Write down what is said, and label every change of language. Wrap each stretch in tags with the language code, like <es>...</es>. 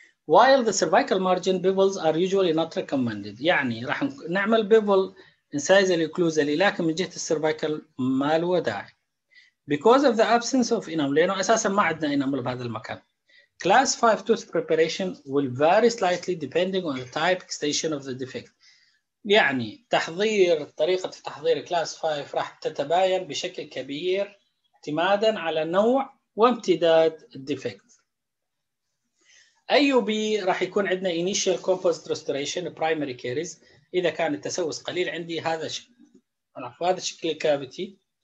<en>While the cervical margin bevels are usually not recommended.</en> <ar>يعني راح نعمل بيبل</ar> <en>incisal occlusal</en> <ar>لكن من جهة السيرفايكال ما له داعي.</ar> <en>Because of the absence of enamel,</en> <ar>لأنه أساساً ما عندنا enamel بهذا المكان.</ar> <en>Class 5 tooth preparation will vary slightly depending on the type extension of the defect.</en> <ar>يعني تحضير طريقة تحضير class 5 راح تتباين بشكل كبير اعتماداً على نوع وامتداد defect. AUB راح يكون عندنا</ar> <en>initial composite restoration primary caries.</en> <ar>إذا كان التسوس قليل عندي هذا شكل الكافيتي.</ar>